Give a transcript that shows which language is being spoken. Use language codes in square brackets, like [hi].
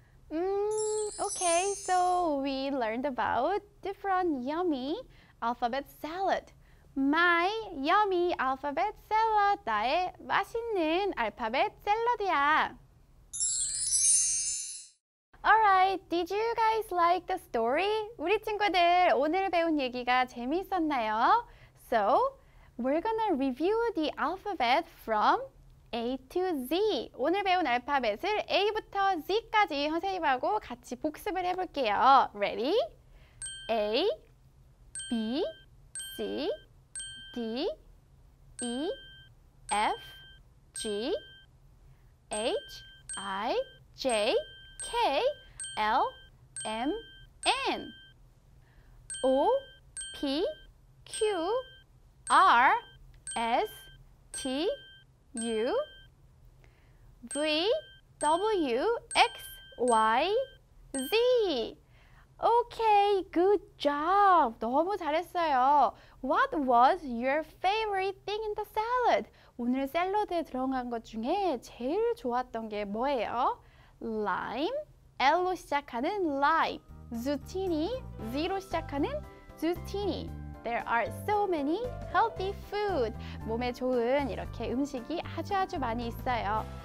[en] Okay, so we learned about different yummy alphabet salad. My yummy alphabet salad. [ko] 나의 맛있는 알파벳 샐러드야. [en] Alright, did you guys like the story? [ko] 우리 친구들, 오늘 배운 얘기가 재미있었나요? [en] So, we're gonna review the alphabet from A to Z. [ko] 오늘 배운 알파벳을 A부터 Z까지 선생님하고 같이 복습을 해볼게요. [en] Ready? A, B, C, D, E, F, G, H, I, J, K, L, M, N, O, P, Q, R, S, T, U, V, W, X, Y, Z. Okay, good job. [ko] 너무 잘했어요. [en] What was your favorite thing in the salad? [ko] 오늘 샐러드에 들어간 것 중에 제일 좋았던 게 뭐예요? Lime, L로 시작하는 lime. Zucchini, Z로 시작하는 zucchini. [en] There are so many healthy food. [ko] 몸에 좋은 이렇게 음식이 아주 아주 많이 있어요.